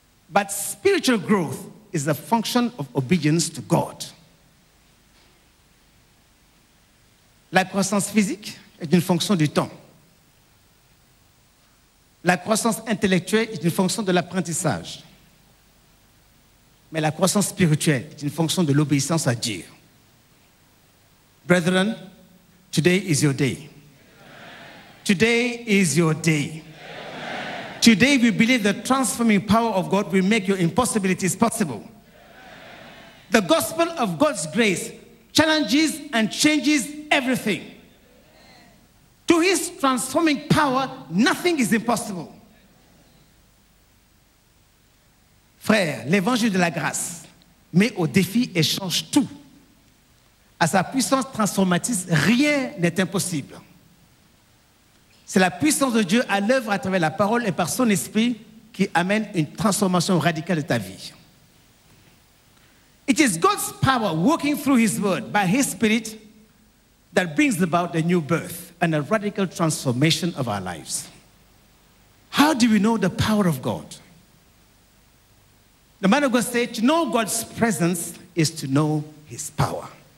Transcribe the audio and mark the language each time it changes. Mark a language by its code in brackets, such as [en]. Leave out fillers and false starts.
[en] But spiritual growth is a function of obedience to God. [fr] La croissance physique est une fonction du temps. La croissance intellectuelle est une fonction de l'apprentissage. Mais la croissance spirituelle est une fonction de l'obéissance à Dieu. [en] Brethren, today is your day. Today is your day. Today we believe the transforming power of God will make your impossibilities possible. The gospel of God's grace challenges and changes everything. To his transforming power, nothing is impossible. [fr] Frère, l'évangile de la grâce met au défi et change tout. À sa puissance transformatrice, rien n'est impossible. C'est la puissance de Dieu à l'œuvre à travers la parole et par son esprit qui amène une transformation radicale de ta vie. [en] It is God's power working through his word by his spirit that brings about the new birth and a radical transformation of our lives. How do we know the power of God? The man of God said, to know God's presence is to know his power.